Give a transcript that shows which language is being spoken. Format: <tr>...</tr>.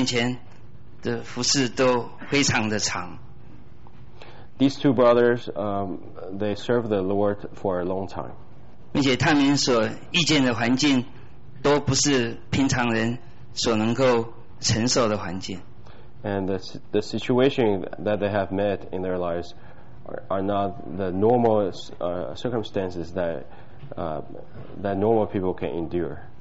<zh>他们两位在神面前的服事都非常的长。</zh> <en>These two brothers, they serve the Lord for a long time.</en> <zh>并且他们所遇见的环境都不是平常人 所能够承受的环境。</zh> <en>And the situation that they have met in their lives are not the normal circumstances that normal people can endure.</en>